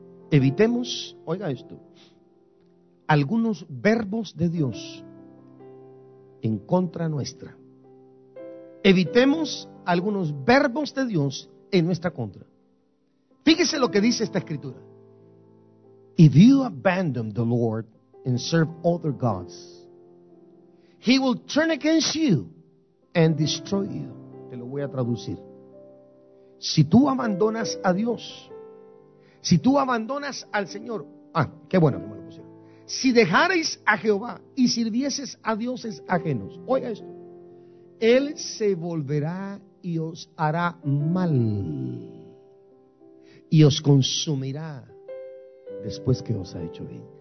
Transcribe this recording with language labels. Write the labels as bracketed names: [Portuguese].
[Spanish] Evitemos, oiga esto, algunos verbos de Dios en contra nuestra. Evitemos algunos verbos de Dios en nuestra contra. Fíjese lo que dice esta escritura. [English] If you abandon the Lord and serve other gods, He will turn against you and destroy you. [Spanish] Te lo voy a traducir. Si tú abandonas a Dios, si tú abandonas al Señor, qué bueno que me lo pusieron. Si dejareis a Jehová y sirvieses a dioses ajenos, oiga esto, Él se volverá y os hará mal y os consumirá después que os ha hecho bien.